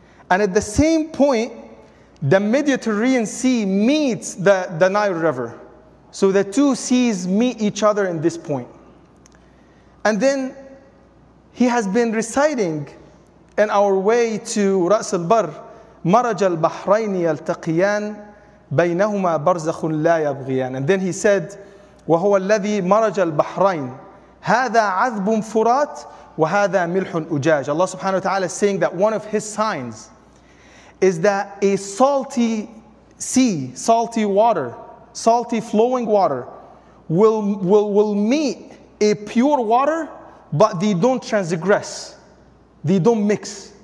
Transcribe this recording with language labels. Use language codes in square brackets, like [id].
[en] And at the same point, the Mediterranean Sea meets the Nile River. So the two seas meet each other in this point. And then he has been reciting in our way to Ras al-Barr, [ar] مرج البحرين يلتقيان بينهما برزخ لا يبغيان. [en] And then he said, [ar] وهو الذي مرج البحرين هذا عذب فرات وهذا ملح أجاج. [en] Allah subhanahu wa ta'ala is saying that one of his signs is that a salty sea, salty water, salty flowing water will meet a pure water, but they don't transgress, they don't mix.